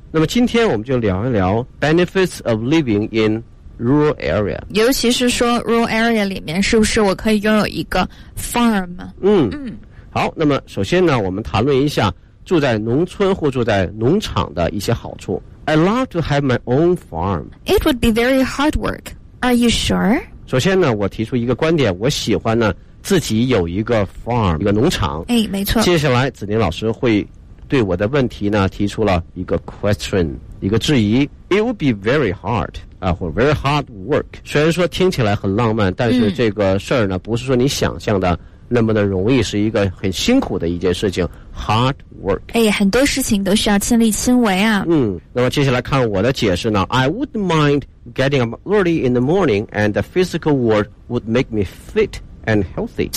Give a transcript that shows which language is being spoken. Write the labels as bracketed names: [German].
[Chinese] 那么今天我们就聊一聊 [English] benefits of living in rural area， [Chinese] 尤其是说 rural area 里面是不是我可以拥有一个 farm。好，那么首先呢我们谈论一下住在农村或住在农场的一些好处。 [English] I love to have my own farm. It would be very hard workAre you sure? [Chinese] 首先呢，我提出一个观点，我喜欢呢自己有一个 farm， 一个农场。哎，没错。接下来，子宁老师会对我的问题呢提出了一个 question， 一个质疑。 [English] It would be very hard， 或者 very hard work。 [Chinese] 虽然说听起来很浪漫，但是这个事儿呢，不是说你想象的那么的容易，是一个很辛苦的一件事情。 [English] Hard work。 [Chinese] 哎，很多事情都需要亲力亲为啊。那么接下来看我的解释呢 [English] ，I wouldn't mind getting up early in the morning, and the physical work would make me fit and healthy。